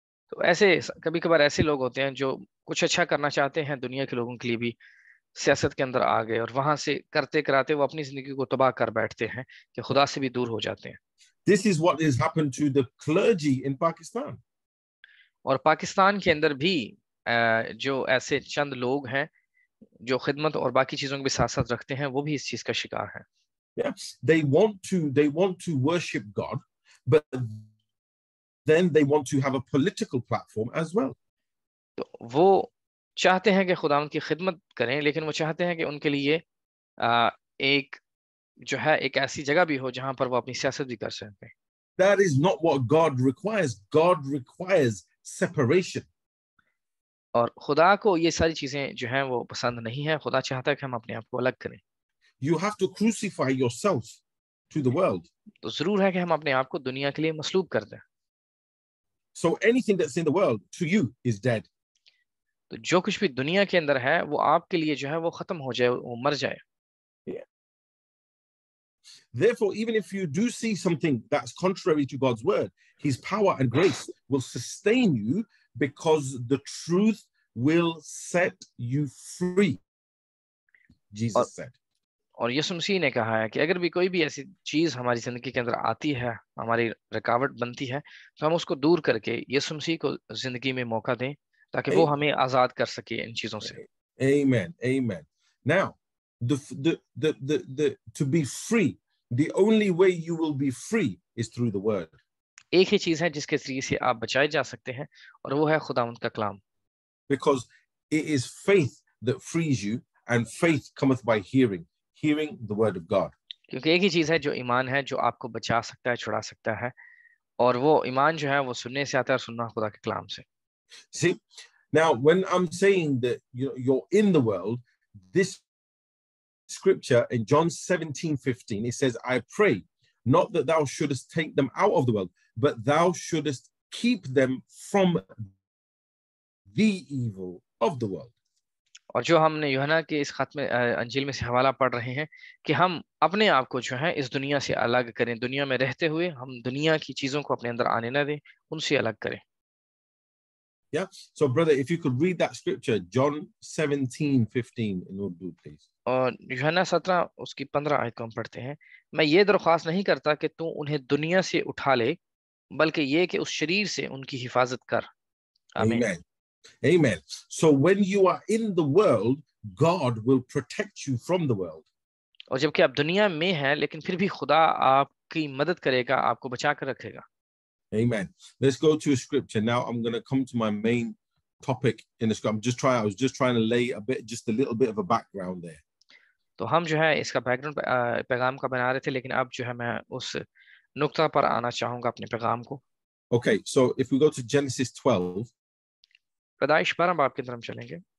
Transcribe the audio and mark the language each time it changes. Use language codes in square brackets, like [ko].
[hi] तो ऐसे कभी कभार ऐसे लोग होते हैं जो कुछ अच्छा करना चाहते हैं दुनिया के लोगों के लिए भी, सियासत के अंदर आ गए और वहां से करते कराते वो अपनी जिंदगी को तबाह कर बैठते हैं कि खुदा से भी दूर हो जाते हैं. [en] This is what has happened to the clergy in Pakistan. [hi] और पाकिस्तान के अंदर भी जो ऐसे चंद लोग हैं जो खिदमत और बाकी चीजों के भी साथ साथ रखते हैं वो भी इस चीज का शिकार है. [en] Yeah. They want to worship God, but then they want to have a political platform as well. [hi] तो वो चाहते हैं कि खुदा उनकी खिदमत करें लेकिन वो चाहते हैं कि उनके लिए एक जो है एक ऐसी जगह भी हो जहां पर वो अपनी सियासत भी कर सकते हैं. [en] That is not what God requires. God requires separation. [hi] और खुदा को ये सारी चीजें जो है वो पसंद नहीं है. खुदा चाहता है कि हम अपने आप को अलग करें. [en] You have to crucify yourself to the world. [hi] तो जरूर है कि हम अपने आप को दुनिया के लिए मसलूब कर दें. [en] So anything that's in the world to you is dead. [hi] तो जो कुछ भी दुनिया के अंदर है वो आपके लिए जो है वो खत्म हो जाए, वो मर जाए. [en] Therefore, even if you do see something that's contrary to God's word, His power and grace will sustain you because the truth will set you free. Jesus said. [hi] और यीशु मसीह ने कहा है कि अगर भी कोई भी ऐसी चीज हमारी जिंदगी के अंदर आती है, हमारी रुकावट बनती है, तो हम उसको दूर करके यीशु मसीह को जिंदगी में मौका दें ताकि वो हमें आजाद कर सके इन चीजों से. [en] Amen, amen. Now, the to be free, the only way you will be free is through the word. [hi] एक ही चीज है जिसके जरिए से आप बचाए जा सकते हैं और वो है खुदावंत का कलाम. [en] Because it is faith that frees you, and faith cometh by hearing the word of God. [hi] क्योंकि एक ही चीज है जो ईमान है जो आपको बचा सकता है, छुड़ा सकता है, और वो ईमान जो है वो सुनने से आता है, सुनना खुदा के कलाम से. [en] See, now when I'm saying that you're in the world, this scripture in John 17:15, it says, I pray not that thou shouldest take them out of the world, but thou shouldest keep them from the evil of the world. [hi] और जो हमने यूहन्ना के इस खत में अंजील में से हवाला पढ़ रहे हैं कि हम अपने आप को जो है इस दुनिया से अलग करें, दुनिया में रहते हुए हम दुनिया की चीजों को अपने अंदर आने ना दें, उनसे अलग करें. [en] Yeah, so brother, if you could read that scripture, John 17:15 in Urdu, please. [hi] और यूहन्ना 17 उसकी 15 आयत को हम पढ़ते हैं. मैं ये दरख्वास्त नहीं करता कि तू उन्हें दुनिया से उठा ले, बल्कि ये कि उस शरीर से उनकी हिफाजत कर. आमीन. Amen. [en] So when you are in the world, God will protect you from the world. [hi] और जबकि आप दुनिया में हैं, लेकिन फिर भी खुदा आपकी मदद करेगा, आपको बचा कर रखेगा. [en] Amen. Let's go to a scripture. Now I'm going to come to my main topic in the scripture. I was just trying to lay a bit, just a little bit of a background there. [hi] तो हम जो है इसका background पैगाम का बना रहे थे, लेकिन अब जो है मैं उस नुक्ता पर आना चाहूँगा अपने पैगाम को. [en] Okay. So if we go to Genesis 12, [hi] पैदाइश 12 बाब की तरफ चलेंगे.